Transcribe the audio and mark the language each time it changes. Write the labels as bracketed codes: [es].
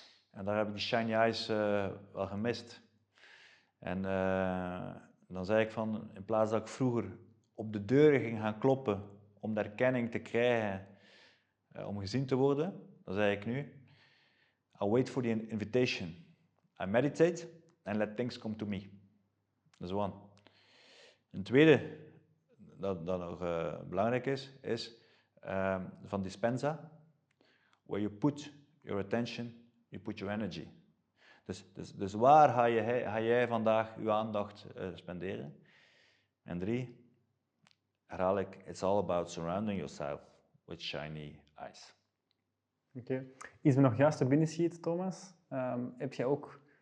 [nl] En daar heb ik die shiny eyes wel gemist. En dan zei ik van, in plaats dat ik vroeger op de deuren ging gaan kloppen om de erkenning te krijgen, om gezien te worden, dan zeg ik nu, [en] I wait for the invitation. I meditate and let things come to me. [nl] Dat is one. Een tweede, dat nog belangrijk is van Dispenza. [en] Where you put your attention, you put your energy. [nl] Dus waar ga jij vandaag je aandacht spenderen? En drie, herhaal ik, [en] it's all about surrounding yourself with shiny eyes. Oké. Okay. [nl] Iets me nog juist te binnen schiet, Thomas. Heb jij ook...